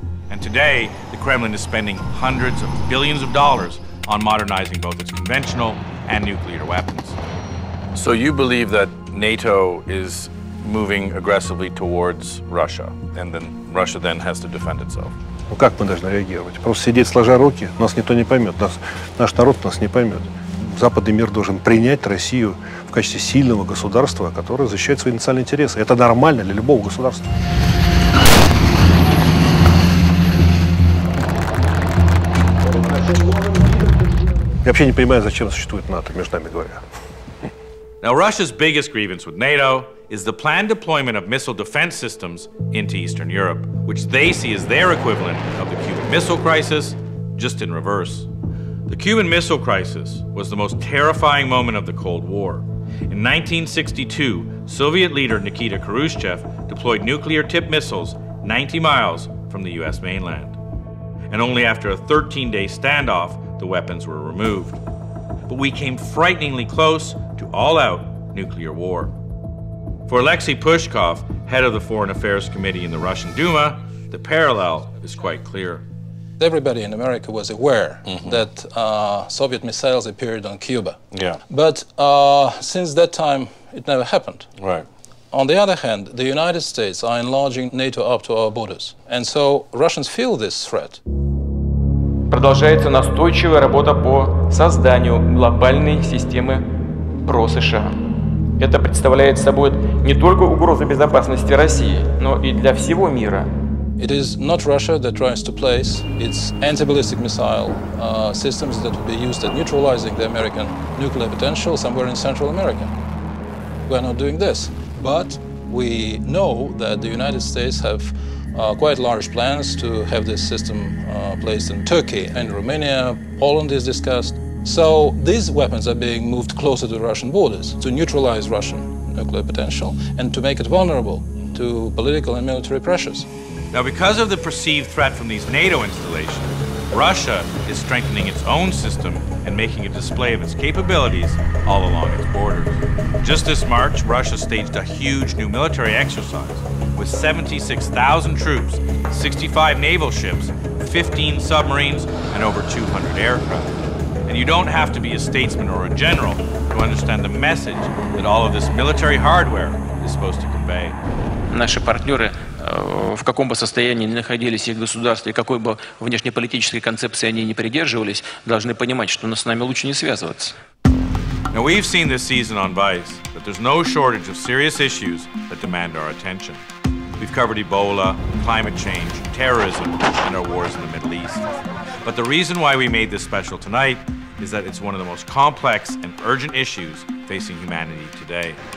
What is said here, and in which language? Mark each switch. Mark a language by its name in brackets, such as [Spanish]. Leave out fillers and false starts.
[English] And today, the Kremlin is spending hundreds of billions of dollars on modernizing both its conventional and nuclear weapons. So you believe that NATO is moving aggressively towards Russia, and then Russia then has to defend itself. [Russian] Ну как мы должны реагировать? Просто сидеть сложа руки? Нас никто не поймет. Наш народ нас не поймет. Западный мир должен принять Россию в качестве сильного государства, которое защищает свои национальные интересы. Это нормально для любого государства. Я вообще не понимаю, зачем существует НАТО, между нами говоря. [English] Now Russia's biggest grievance with NATO is the planned deployment of missile defense systems into Eastern Europe, which they see as their equivalent of the Cuban Missile Crisis, just in reverse. The Cuban Missile Crisis was the most terrifying moment of the Cold War. In 1962, Soviet leader Nikita Khrushchev deployed nuclear-tipped missiles 90 miles from the US mainland. And only after a 13-day standoff, the weapons were removed. But we came frighteningly close to all-out nuclear war. For Alexei Pushkov, head of the Foreign Affairs Committee in the Russian Duma, the parallel is quite clear. Everybody in America was aware that Soviet missiles appeared on Cuba. Yeah. But since that time, it never happened. Right. On the other hand, the United States are enlarging NATO up to our borders. And so Russians feel this threat. [Russian] Продолжается настойчивая работа по созданию глобальной системы ПРО США. Это представляет собой не только угрозу безопасности России, но и для всего мира. [English] It is not Russia that tries to place its anti-ballistic missile systems that would be used at neutralizing the American nuclear potential somewhere in Central America. We are not doing this, but we know that the United States have quite large plans to have this system placed in Turkey and Romania. Poland is discussed. So these weapons are being moved closer to the Russian borders to neutralize Russian nuclear potential and to make it vulnerable to political and military pressures. Now, because of the perceived threat from these NATO installations, Russia is strengthening its own system and making a display of its capabilities all along its borders. Just this March, Russia staged a huge new military exercise with 76,000 troops, 65 naval ships, 15 submarines, and over 200 aircraft. And you don't have to be a statesman or a general to understand the message that all of this military hardware is supposed to convey. [Russian] Наши партнеры, в каком бы состоянии ни находились их государства и какой бы внешнеполитической концепции они ни придерживались, должны понимать, что с нами лучше не связываться. [English] Now we've seen this season on Vice that there's no shortage of serious issues that demand our attention. We've covered Ebola, climate change, terrorism, and our wars in the Middle East. But the reason why we made this special tonight is that it's one of the most complex and urgent issues facing humanity today.